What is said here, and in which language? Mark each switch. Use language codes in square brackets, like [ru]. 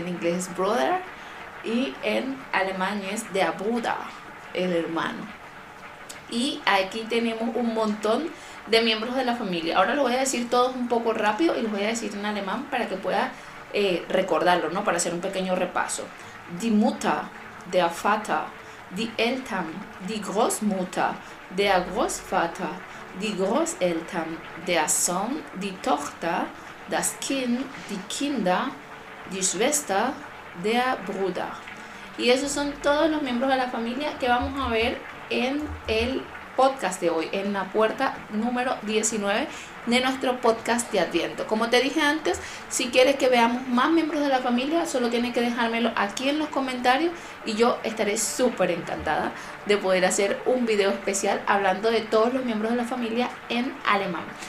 [es] En inglés es brother y en alemán es de abruda, el hermano. Y aquí tenemos un montón de miembros de la familia. Ahora lo voy a decir todos un poco rápido y los voy a decir en alemán para que pueda recordarlo, ¿no? Para hacer un pequeño repaso. [de] Die Mutter, der Vater, die Eltern, die Großmutter, der Großvater, die Großeltern, der Sohn, die Tochter, das Kind, die Kinder, die Schwester, der Bruder. [es] Y esos son todos los miembros de la familia que vamos a ver en el podcast de hoy, en la puerta número 19 de nuestro podcast de Adviento. Como te dije antes, si quieres que veamos más miembros de la familia, solo tienes que dejármelo aquí en los comentarios y yo estaré súper encantada de poder hacer un video especial hablando de todos los miembros de la familia en alemán.